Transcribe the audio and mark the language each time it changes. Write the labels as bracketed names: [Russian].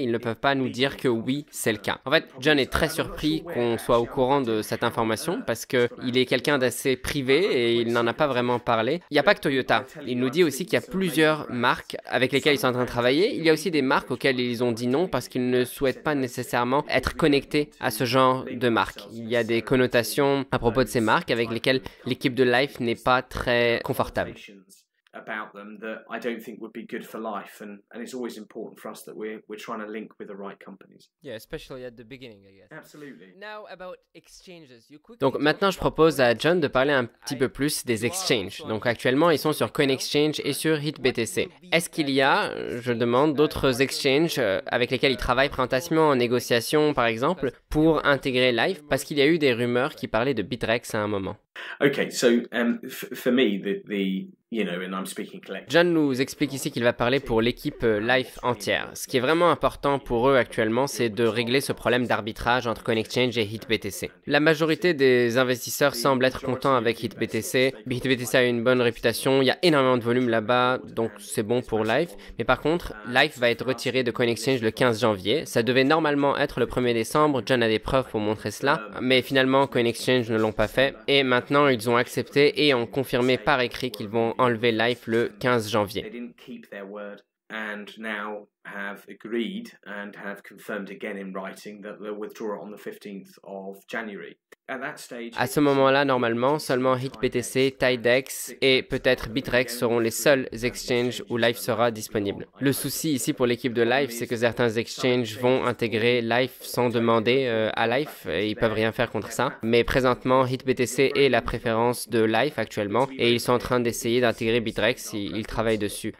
[French] Ils ne peuvent pas nous dire que oui, c'est le cas. En fait, John est très surpris qu'on soit au courant de cette information parce qu'il est quelqu'un d'assez privé et il n'en a pas vraiment parlé. Il n'y a pas que Toyota. Il nous dit aussi qu'il y a plusieurs marques avec lesquelles ils sont en train de travailler. Il y a aussi des marques auxquelles ils ont dit non parce qu'ils ne souhaitent pas nécessairement être connectés à ce genre de marques. Il y a des connotations à propos de ces marques avec lesquelles l'équipe de Life n'est pas très confortable. [English] About them that I don't think would be good for Life, and it's always important for us that we're trying to link with the right companies. Yeah, especially at the beginning, I guess. Absolutely. Now about exchanges. [French] Donc maintenant, je propose à John de parler un petit peu plus des exchanges. Donc actuellement, ils sont sur CoinExchange et sur HitBTC. Est-ce qu'il y a, je demande, d'autres exchanges avec lesquels ils travaillent présentement en négociation, par exemple, pour intégrer Life? Parce qu'il y a eu des rumeurs qui parlaient de Bittrex à un moment. [English] Okay, so for me, the [French] John nous explique ici qu'il va parler pour l'équipe Life entière. Ce qui est vraiment important pour eux actuellement, c'est de régler ce problème d'arbitrage entre CoinExchange et HitBTC. La majorité des investisseurs semblent être contents avec HitBTC. HitBTC a une bonne réputation, il y a énormément de volume là-bas, donc c'est bon pour Life. Mais par contre, Life va être retiré de CoinExchange le 15 janvier. Ça devait normalement être le 1er décembre, John a des preuves pour montrer cela. Mais finalement, CoinExchange ne l'ont pas fait. Et maintenant, ils ont accepté et ont confirmé par écrit qu'ils vont enlever Life le 15 janvier. [English] They didn't keep their word and now have agreed and have confirmed again in writing that they'll withdraw on the 15th of January. [French] À ce moment-là, normalement, seulement HitBTC, Tidex et peut-être Bittrex seront les seuls exchanges où Life sera disponible. Le souci ici pour l'équipe de Life, c'est que certains exchanges vont intégrer Life sans demander à Life et ils peuvent rien faire contre ça. Mais présentement, HitBTC est la préférence de Life actuellement et ils sont en train d'essayer d'intégrer Bittrex, ils travaillent dessus.